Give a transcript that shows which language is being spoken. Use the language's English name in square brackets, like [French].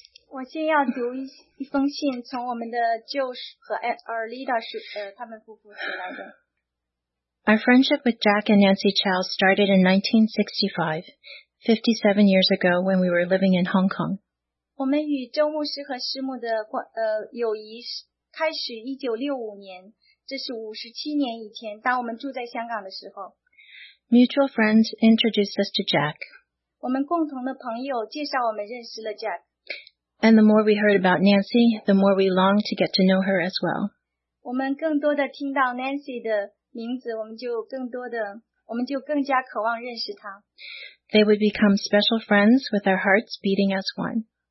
[Chinese] 我先要读一封信，从我们的 Joe 和 Aunt Arlita 他们夫妇写来的。 [English] Our friendship with Jack and Nancy Chow started in 1965, 57 years ago when we were living in Hong Kong. [Chinese] 我们与周牧师和师母的友谊开始1965年，这是57年以前，当我们住在香港的时候。 [English] Mutual friends introduced us to Jack. [Chinese] 我们共同的朋友介绍我们认识了 Jack. [English] And the more we heard about Nancy, the more we longed to get to know her as well. [Chinese] 我们更多的听到 Nancy 的名字，我们就更加渴望认识她。 [English] They would become special friends with our hearts beating as one.